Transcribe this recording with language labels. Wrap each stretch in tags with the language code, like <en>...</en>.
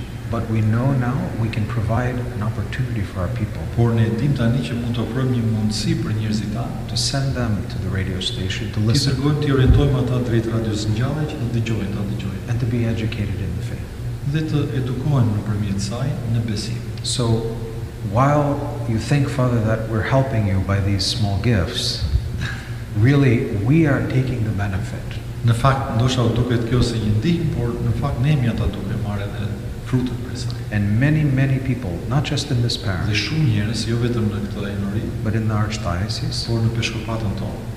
<en>But we know now we can provide an opportunity for our people to send them to the radio station to listen and to be educated in the faith. So while you think, Father, that we're helping you by these small gifts, really we are taking the benefit.</en> <sq>Në fakt, ndoshta duket kjo si një ndihmë, por në fakt ne jemi ata duke marrë edhe frutën prej saj.</sq> <en>And many, many people, not just in this parish,</en> <sq>dhe shumë njerëz, jo vetëm në këtë enori,</sq> <en>but in the archdiocese,</en> <sq>por në peshkopatën tonë,</sq>